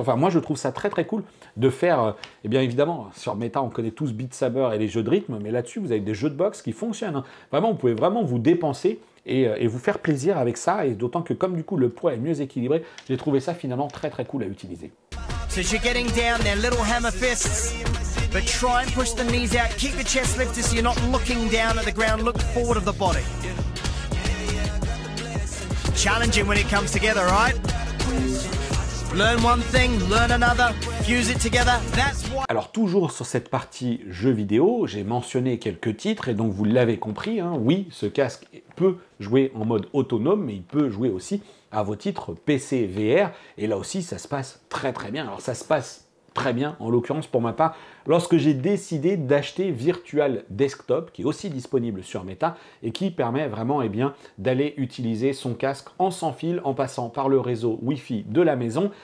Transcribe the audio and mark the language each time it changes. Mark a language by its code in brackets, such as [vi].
[fr] Enfin, moi, je trouve ça très, très cool de faire... Eh bien, évidemment, sur Meta, on connaît tous Beat Saber et les jeux de rythme. Mais là-dessus, vous avez des jeux de boxe qui fonctionnent. Hein. Vraiment, vous pouvez vraiment vous dépenser et vous faire plaisir avec ça. Et d'autant que comme du coup, le poids est mieux équilibré, j'ai trouvé ça finalement très, très cool à utiliser. [en] So you're getting down there, little hammer fists. But try and push the knees out. Keep the chest lifted so you're not looking down at the ground. Look forward of the body. Challenging when it comes together, right? Learn one thing, learn another, fuse it together. That's why... [fr] Alors toujours sur cette partie jeux vidéo, j'ai mentionné quelques titres et donc vous l'avez compris, hein, oui, ce casque peut jouer en mode autonome, mais il peut jouer aussi à vos titres PC VR. Et là aussi, ça se passe très très bien. Alors ça se passe très bien, en l'occurrence pour ma part, lorsque j'ai décidé d'acheter Virtual Desktop, qui est aussi disponible sur Meta et qui permet vraiment eh bien, d'aller utiliser son casque en sans fil en passant par le réseau Wi-Fi de la maison.